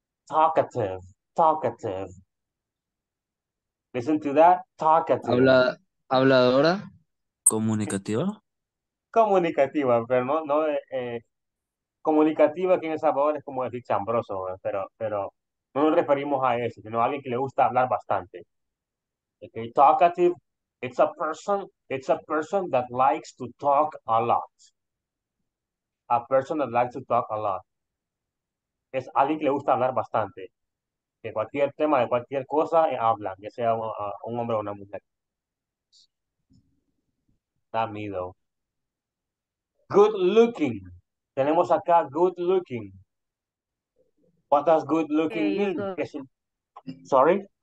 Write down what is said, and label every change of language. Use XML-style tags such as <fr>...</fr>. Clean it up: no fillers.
<en>Talkative, talkative. Listen to that, talkative.</en> <es>Habladora. Comunicativa. Comunicativa, pero no, no, comunicativa aquí en El Salvador es como decir chambroso, pero no nos referimos a eso, sino a alguien que le gusta hablar bastante.</es> <en>Okay, talkative, it's a person that likes to talk a lot. A person that likes to talk a lot.</en> <es>Es alguien que le gusta hablar bastante. De cualquier tema, de cualquier cosa, hablan, ya sea un hombre o una mujer.</es> <en>Tímido. Good looking.</en> <es>Tenemos acá</es> <en>good looking. What does good looking mean?</en>